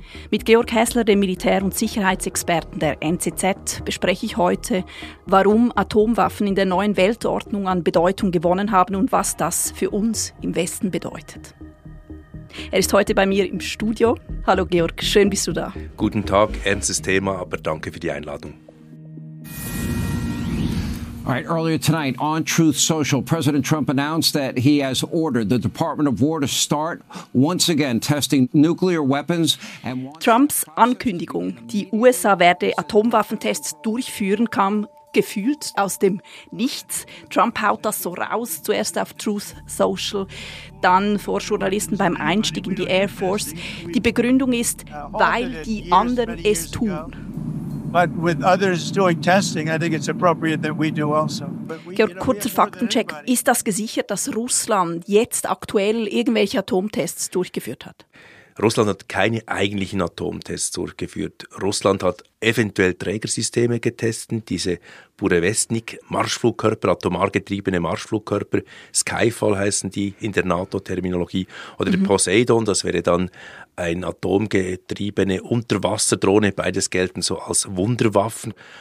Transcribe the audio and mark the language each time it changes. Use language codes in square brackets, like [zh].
[de] Mit Georg Häsler, dem Militär- und Sicherheitsexperten der NZZ, bespreche ich heute, warum Atomwaffen in der neuen Weltordnung an Bedeutung gewonnen haben und was das für uns im Westen bedeutet. Er ist heute bei mir im Studio. Hallo Georg, schön bist du da. Guten Tag, ernstes Thema, aber danke für die Einladung. [en] All right, earlier tonight on Truth Social, President Trump announced that he has ordered the Department of War to start once again testing nuclear weapons. [de] Trumps Ankündigung, die USA werde Atomwaffentests durchführen, kam gefühlt aus dem Nichts. Trump haut das so raus, zuerst auf Truth Social, dann vor Journalisten beim Einstieg in die Air Force. Die Begründung ist, weil die anderen es tun. [en] But with others doing testing, I think it's appropriate that we do also. [de] Georg, kurzer Faktencheck. Ist das gesichert, dass Russland jetzt aktuell irgendwelche Atomtests durchgeführt hat? Russland hat keine eigentlichen Atomtests durchgeführt. Russland hat eventuell Trägersysteme getestet, diese Burevestnik-Marschflugkörper, atomargetriebene Marschflugkörper, Skyfall heißen die in der NATO-Terminologie, oder Poseidon, das wäre dann ein atomgetriebene Unterwasserdrohne, beides gelten so als Wunderwaffen.